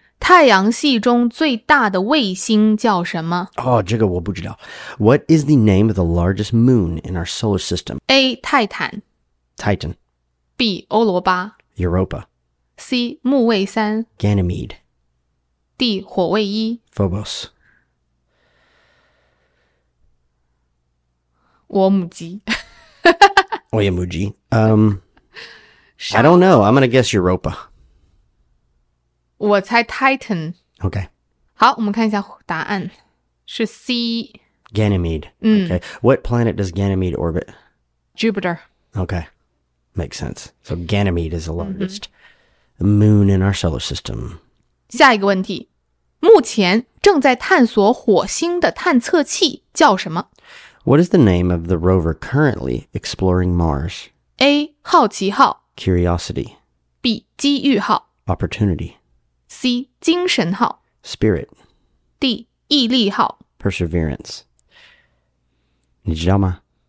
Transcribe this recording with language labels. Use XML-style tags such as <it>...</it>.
<zh>太阳系中最大的卫星叫什么？哦，这个我不知道。</zh> <en>What is the name of the largest moon in our solar system?</en> <zh>A. 泰坦</zh> <en>Titan</en> <zh>B. 欧罗巴</zh> <en>Europa</en> <zh>C. 木卫三</zh> <en>Ganymede</en> <zh>D. 火卫一</zh> <en>Phobos</en> <zh>我母鸡我也母鸡</zh> <en>I don't know. I'm going to guess Europa.</en> <zh>我猜 Titan.</zh> <en>Okay.</en> <zh>好，我们看一下答案，是 C.</zh> <en>Ganymede. Okay. What planet does Ganymede orbit? Jupiter. Okay. Makes sense. So Ganymede is the largest moon in our solar system.</en> <zh>下一个问题，目前正在探索火星的探测器叫什么？</zh> <en>What is the name of the rover currently exploring Mars?</en> <zh>A. 好奇号</zh> <en>Curiosity.</en> <zh>B. 机遇号</zh> <en>Opportunity.</en> <zh>C. 精神号</zh> <en>Spirit.</en> <zh>D. 毅力号 Perseverance. 你知道吗？</zh>